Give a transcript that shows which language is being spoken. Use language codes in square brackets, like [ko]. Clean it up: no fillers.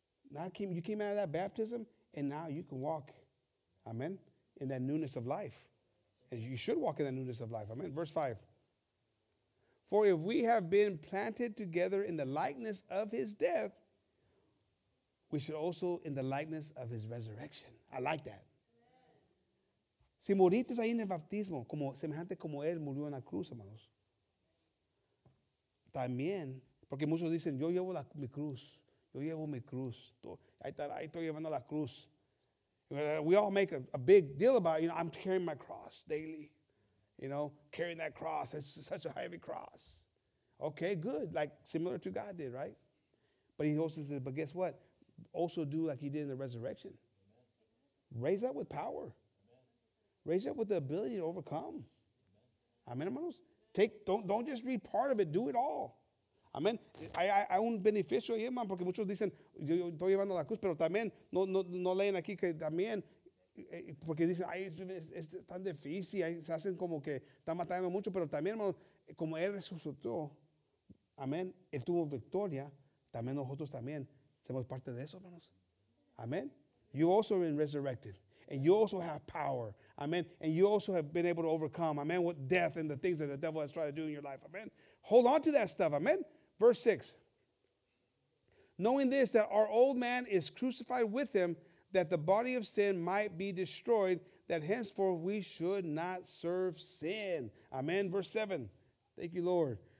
[en] Now you came out of that baptism, and now you can walk, amen, in that newness of life. And you should walk in that newness of life. Amen. Verse 5. For if we have been planted together in the likeness of his death, we should also in the likeness of his resurrection. I like that. [es] Si moriste ahí en el bautismo, como semejante como él murió en la cruz, hermanos. También, porque muchos dicen, yo llevo mi cruz. Yo llevo mi cruz. Ahí estoy llevando la cruz. [en] We all make a big deal about, you know, I'm carrying my cross daily. You know, carrying that cross. It's such a heavy cross. Okay, good. Like, similar to God did, right? But he also says, but guess what? Also do like he did in the resurrection. Raise up with power. Raise up with the ability to overcome. Amen, hermanos? Don't just read part of it. Do it all. Amen. [es] Hay un beneficio ahí, hermano, porque muchos dicen, yo estoy llevando la cruz, pero también, no leen aquí que también, porque dicen, ay, es tan difícil, se hacen como que están matando mucho, pero también, hermano, como Él resucitó, amén, Él tuvo victoria, también nosotros también somos parte de eso, hermanos. Amén. [en] You also have been resurrected, and you also have power, amén, and you also have been able to overcome, amén, with death and the things that the devil has tried to do in your life, amén. Hold on to that stuff, amen. Verse 6. Knowing this, that our old man is crucified with him, that the body of sin might be destroyed, that henceforth we should not serve sin. Amen. Verse 7. Thank you, Lord.